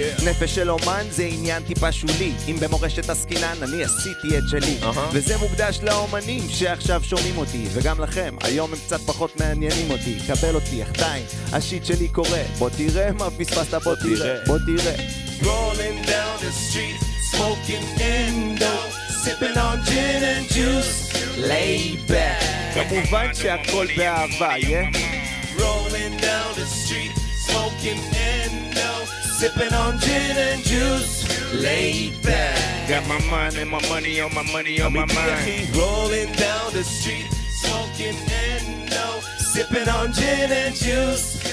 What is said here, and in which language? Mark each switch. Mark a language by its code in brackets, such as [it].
[he] נפש של אומן זה עניין טיפה שולי, אם במורשת הסכינן אני עשיתי את שלי. וזה מוקדש לאומנים שעכשיו שומעים אותי, וגם לכם, היום הם קצת פחות מעניינים אותי. קבל אותי, אחתיים, השיט שלי קורה, בוא תראה מה פספסת, בוא תראה, בוא תראה. [en] Rolling down the street, smoking endo, sipping on gin and juice. Lay back. [he] כמובן שהכל באהבה, yeah. [en] Rolling down the street, smoking endo, sipping on gin and juice. Lay back. Got my mind and my money on my money on my mind. Rolling down the street, smoking endo, sipping on gin and juice.